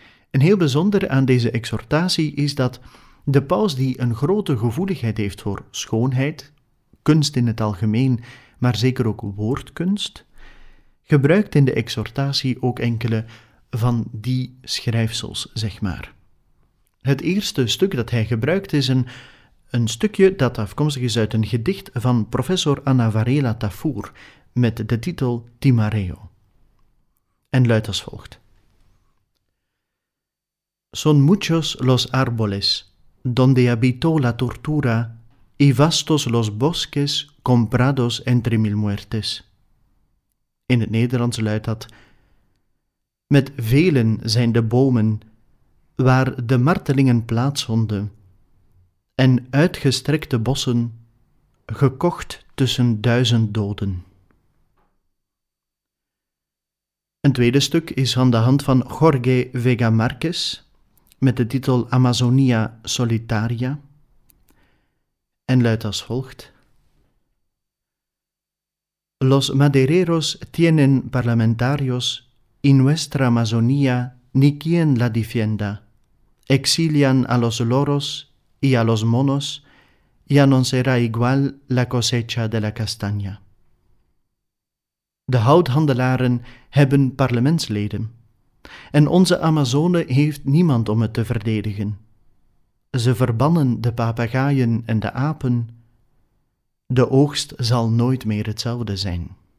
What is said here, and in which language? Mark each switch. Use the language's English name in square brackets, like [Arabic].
[Dutch] Een heel bijzonder aan deze exhortatie is dat de paus, die een grote gevoeligheid heeft voor schoonheid, kunst in het algemeen, maar zeker ook woordkunst, gebruikt in de exhortatie ook enkele van die schrijfsels, zeg maar. Het eerste stuk dat hij gebruikt is een stukje dat afkomstig is uit een gedicht van professor Anna Varela Tafur met de titel Timareo. En luidt als volgt. [Spanish] Son muchos los árboles donde habitó la tortura y vastos los bosques comprados entre mil muertes. [Dutch] In het Nederlands luidt dat: met velen zijn de bomen waar de martelingen plaatsvonden, en uitgestrekte bossen gekocht tussen duizend doden. Een tweede stuk is van de hand van Jorge Vega Márquez met de titel Amazonia Solitaria en luidt als volgt. [Spanish] Los madereros tienen parlamentarios y nuestra Amazonía ni quien la defienda. Exilian a los loros y a los monos, ya no será igual la cosecha de la castaña. [Dutch] De houthandelaren hebben parlementsleden en onze Amazone heeft niemand om het te verdedigen. Ze verbannen de papegaaien en de apen. De oogst zal nooit meer hetzelfde zijn.